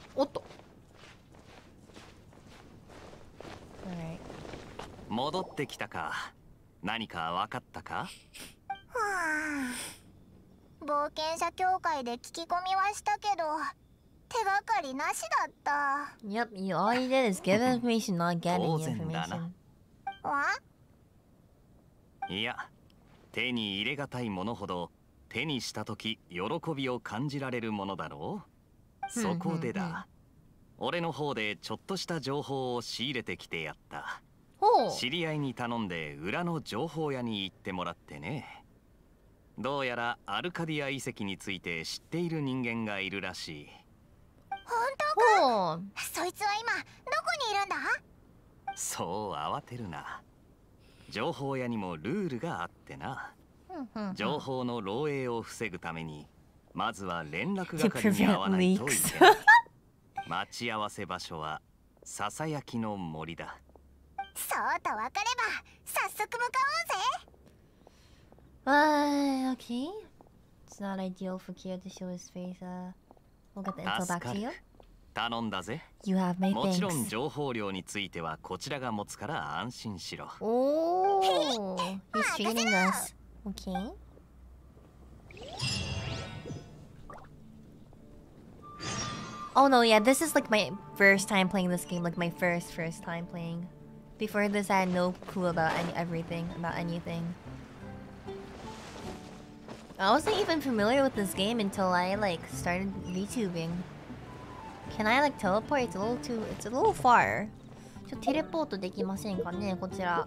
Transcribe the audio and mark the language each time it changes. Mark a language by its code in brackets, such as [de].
[ja] おっと、 alright。戻ってきたか。何か分かったか。はあ、冒険者協会で聞き込みはしたけど手がかりなしだった。 [en] Yep, you all you did is give information, not getting information。 [ja] 当然だな。わ、いや、手に入れがたいものほど手にしたとき喜びを感じられるものだろう。そこでだ、俺の方でちょっとした情報を仕入れてきてやった。知り合いに頼んで裏の情報屋に行ってもらってね。どうやらアルカディア遺跡について知っている人間がいるらしい。本当か？そいつは今どこにいるんだ？そう慌てるな。情報屋にもルールがあってな。情報の漏洩を防ぐためにまずは連絡係に会わないといけない。待ち合わせ場所はささやきの森だ。そうと分かれば早速向かおうぜ。 [en] OK。 It's not ideal for Kyo to show his face。 We'll get the info back to you。 [ja] 頼んだぜ。 [en] You have my thanks。 [ja] もちろん情報量についてはこちらが持つから安心しろ。 [en] おー、 He's treating us。OK。 Oh no, yeah, this is like my first time playing this game, like my first time playing。 Before this, I had no clue about anything. I wasn't even familiar with this game until I like started VTubing. Can I like teleport? It's a little far. [ja] ちょっとテレポートできませんかね、こちら。